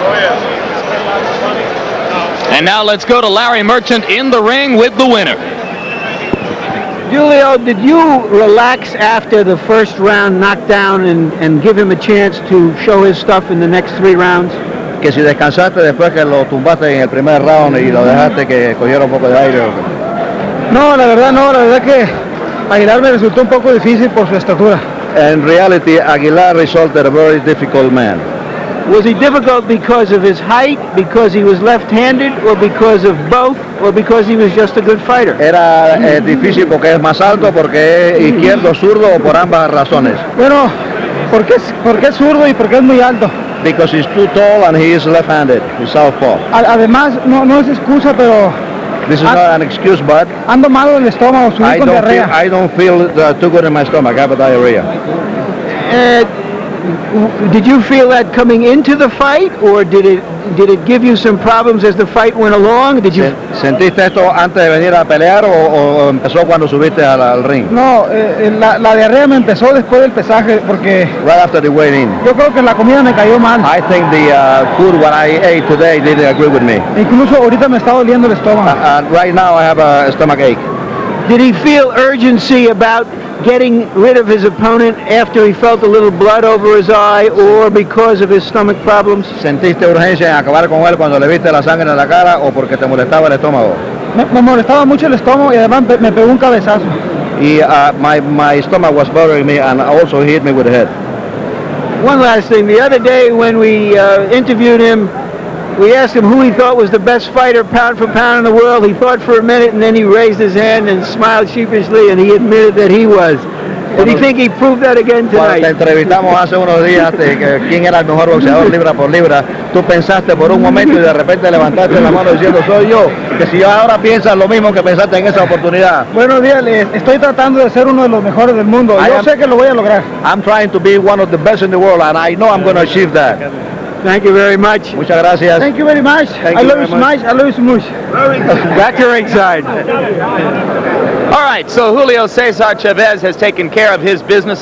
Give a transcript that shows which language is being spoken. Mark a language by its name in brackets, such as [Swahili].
[English] And now let's go to Larry Merchant in the ring with the winner. Julio, did you relax after the first round knockdown and give him a chance to show his stuff in the next three rounds? [Spanish] Que si descansaste después que lo tumbaste en el primer round y lo dejaste que cogiera un poco de aire. No, la verdad no, la verdad que Aguilar me resultó un poco difícil por su estatura. [English] In reality, Aguilar resulted a very difficult man. Was he difficult because of his height, because he was left-handed, or because of both, or because he was just a good fighter? [Spanish] Era difícil porque es más alto, porque es izquierdo, zurdo, o por ambas razones. Bueno, porque es zurdo y porque es muy alto. [English] Because he's too tall and he is left-handed, he's southpaw. [Spanish] Además, no, no es excusa, pero... [English] This is not an excuse, but... [Spanish] Ando malo en el estómago, subí con diarrea. [English] I don't feel too good in my stomach, I have a diarrhea. Did you feel that coming into the fight, or did it give you some problems as the fight went along? Did you [Spanish] sentiste esto antes de venir a pelear o empezó cuando subiste al ring? No, la diarrea me empezó después del pesaje porque [English] right after the weigh-in. [Spanish] Yo creo que la comida me cayó mal. [English] I think the food what I ate today didn't agree with me. [Spanish] Incluso ahorita me está doliendo el estómago. [English] Right now I have a stomach ache. Did he feel urgency about getting rid of his opponent after he felt a little blood over his eye or because of his stomach problems? [Spanish] ¿Sentiste urgencia en acabar con él cuando le viste la sangre en la cara o porque te molestaba el estómago? Me molestaba mucho el estómago y además me pegó un cabezazo. [English] Y my stomach was bothering me and also hit me with the head. One last thing, the other day when we interviewed him, we asked him who he thought was the best fighter pound for pound in the world. He thought for a minute and then he raised his hand and smiled sheepishly and he admitted that he was. Do you think he proved that again tonight? [Spanish] Cuando te entrevistamos hace unos días, quién era el mejor boxeador libra por libra, tú pensaste por un momento y de repente levantaste la mano diciendo, soy yo. Que si ahora piensas lo mismo que pensaste en esa oportunidad. Bueno, dígale, estoy tratando de ser uno de los mejores del mundo. Yo sé que lo voy a lograr. [English] I'm trying to be one of the best in the world and I know I'm going to achieve that. Thank you very much. [Spanish] Muchas gracias. [English] Thank you very much. Thank I love you so much. I love you so much. Back to ringside. All right, so Julio Cesar Chavez has taken care of his business.